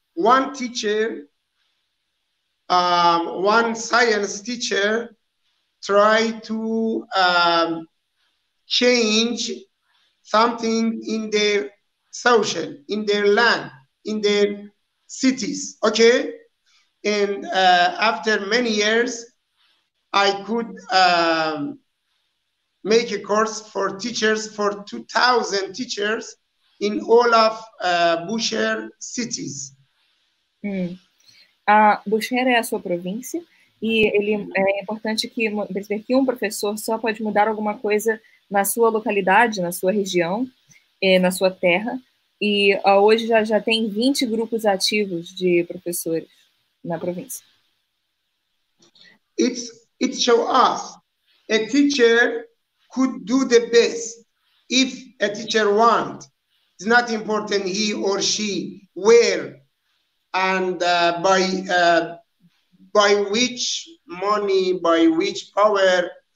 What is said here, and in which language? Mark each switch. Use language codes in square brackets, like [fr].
[en] One teacher, one science teacher, try to change something in their social, in their land, in their cities, okay? And after many years, I could make a course for teachers, for 2,000 teachers in all of Búzios cities. [pt] Búzios é a sua província, e ele é importante que perceber que um professor só pode mudar alguma coisa na sua localidade, na sua região, na sua terra. E hoje já tem 20 grupos ativos de professores na província. [en] It show us a teacher could do the best if a teacher want. It's not important he or she where and by which money, by which power.